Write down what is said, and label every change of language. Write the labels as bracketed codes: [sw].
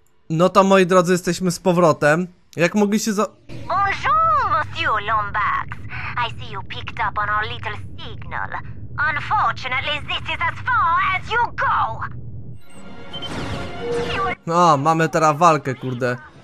[pl] No to, moi drodzy, jesteśmy z powrotem. Jak mogliście za... [fr] Bonjour, Monsieur Lombax. [en] I see you picked up on our little signal. Unfortunately, this is as far as you go. [pl] No, mamy teraz walkę, kurde.